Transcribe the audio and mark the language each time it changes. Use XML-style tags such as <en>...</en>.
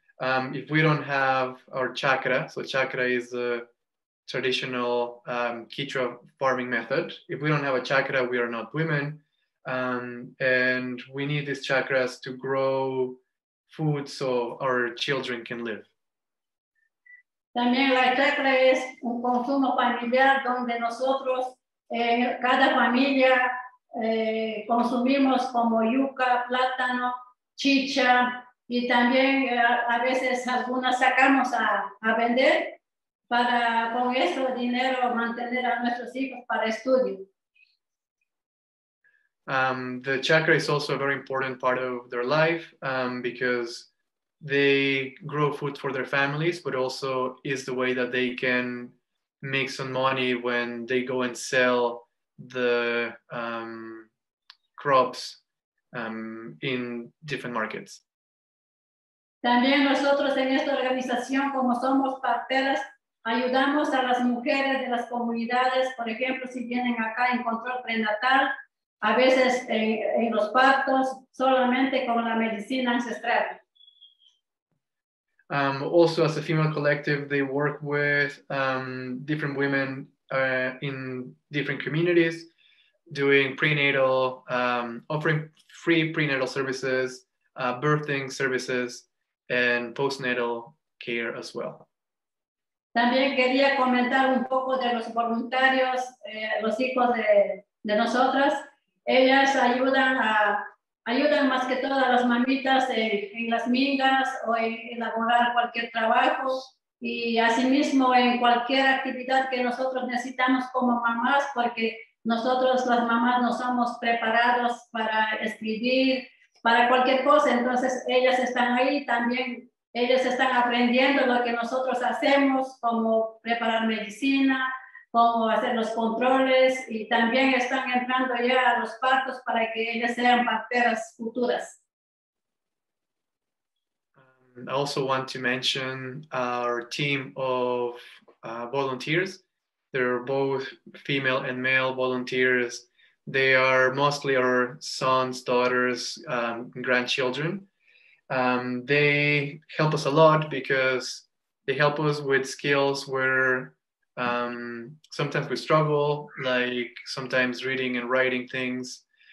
<en>If we don't have our chakra, so chakra is the traditional Quechua farming method. If we don't have a chakra, we are not women. And we need these chakras to grow food so our children can live.</en> <es>También la chakra es un consumo familiar donde nosotros, cada familia, consumimos como yuca, plátano, chicha, y también a veces algunas sacamos a vender para con eso dinero mantener a nuestros hijos para estudio.</es> <en>The chakra is also a very important part of their life because they grow food for their families, but also is the way that they can make some money when they go and sell the crops in different markets.</en> <es>También nosotros en esta organización, como somos parteras, Ayudamos a las mujeres de las comunidades, por ejemplo, si vienen acá en control prenatal, a veces en los partos, solamente con la medicina ancestral.</es> <en>Also, as a female collective, they work with different women in different communities, doing prenatal, offering free prenatal services, birthing services, and postnatal care as well.</en> <es>También quería comentar un poco de los voluntarios, los hijos de nosotras. Ellas ayudan más que todo a las mamitas en las mingas o en elaborar cualquier trabajo y asimismo en cualquier actividad que nosotros necesitamos como mamás, porque nosotros las mamás no somos preparados para escribir, para cualquier cosa. Entonces ellas están ahí también. Ellos están aprendiendo lo que nosotros hacemos, como preparar medicina, como hacer los controles, y también están entrando ya a los partos para que ellas sean parteras futuras.</es> <en>I also want to mention our team of volunteers. They're both female and male volunteers. They are mostly our sons, daughters, grandchildren. They help us a lot because they help us with skills where sometimes we struggle, like sometimes reading and writing things.</en>